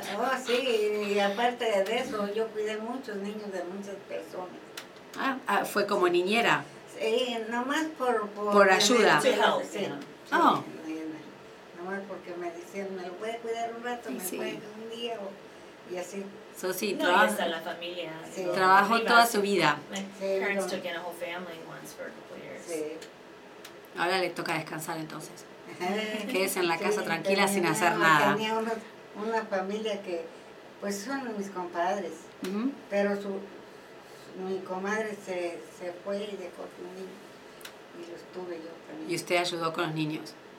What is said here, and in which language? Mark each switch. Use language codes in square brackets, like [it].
[es] Oh, sí, y aparte de eso, yo cuidé muchos niños de muchas personas. Ah, ¿fue como niñera? Sí, nomás por... ¿Por ayuda? [en] To help, [es] sí. [en] You know. [es] Sí, oh. Nomás porque me decían, me lo puede cuidar un rato, me puede un día, o y así. So, sí, no, y hasta la familia. Sí. Trabajó toda su vida. [en] My parents took in a whole family once for a couple years. [es] Sí. Ahora le toca descansar entonces. Quédese en la casa sí, tranquila sin hacer nada. Tenía una familia que, pues son mis compadres, uh-huh. pero mi comadre se fue y dejó a mi niño. Y los tuve yo también. ¿Y usted ayudó con los niños?